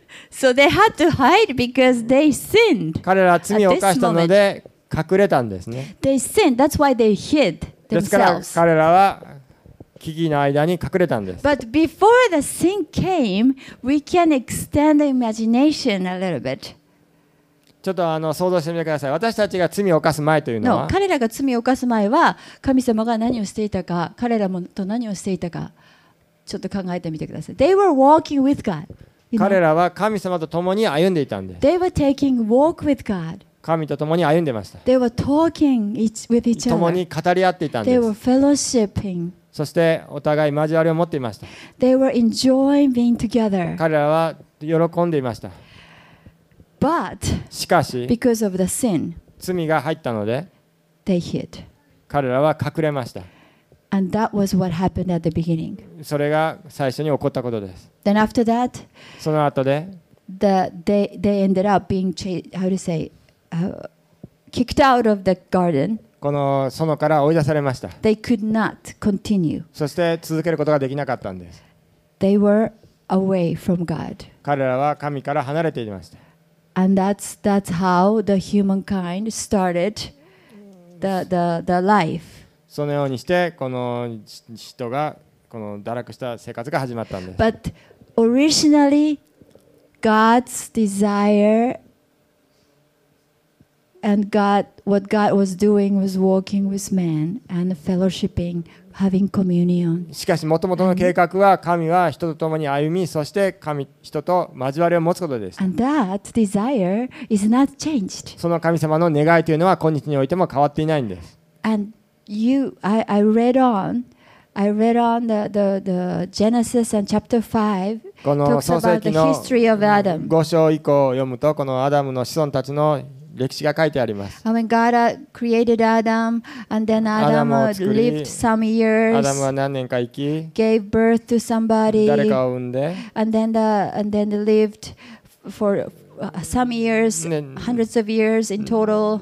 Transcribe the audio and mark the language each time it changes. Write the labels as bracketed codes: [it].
[en] So they had to hide because they sinned. [ja] 彼らは罪を犯したので隠れたんですね。 [en] They sinned. That's why they hid themselves. [ja] ですから彼らは木々の間に隠れたんです。 [en] But before the sin came, we can extend the imagination a little bit. [ja] ちょっとあの想像してみてください。私たちが罪を犯す前というのは、彼らが罪を犯す前は神様が何をしていたか、彼らもと何をしていたか、ちょっと考えてみてください。 [en] They were walking with God. [ja] 彼らは神様と共に歩んでいたんです。 [en] They were taking walk with God. [ja] 神と共に歩んでました。 [en] They were talking with each other. [ja] 共に語り合っていたんです。 [en] They were fellowshipping. [ja] そしてお互い交わりを持っていました。 [en] They were enjoying being together. [ja] 彼らは喜んでいました。 [en] But, [ja] しかし、 [en] because of the sin, [ja] 罪が入ったので、 [en] they hid. [ja] 彼らは隠れました。 [en] And that was what happened at the beginning. [ja] それが最初に起こったことです。 [en] Then after that, [ja] その後で、 [en] they ended up being how to say. Kicked out of the garden. [ja] この園から追い出されました。 [en] They could not continue. [ja] そして続けることができなかったんです。 [en] They were away from God. [ja] 彼らは神から離れていました。 [en] And that's how the humankind started the life. [ja] そのようにしてこの人がこの堕落した生活が始まったんです。 [en] But originally, God's desire. And God, what God was doing was walking with man and fellowshipping, having communion. [ja] しかし、もともとの計画は神は人と共に歩み、そして神人と交わりを持つことです。 [en] And that desire is not changed. [ja] その神様の願いというのは今日においても変わっていないんです。 [en] And you, I read on the Genesis and chapter 5. [ja] この創世記の 5 章以降を読むと、このアダムの子孫たちの歴史が書いてあります。 [en] When God created Adam, and then Adam lived some years. [ja] アダムは何年か生き、 [en] gave birth to somebody. [ja] 誰かを産んで、 [en] and then they lived for some years, hundreds of years in total.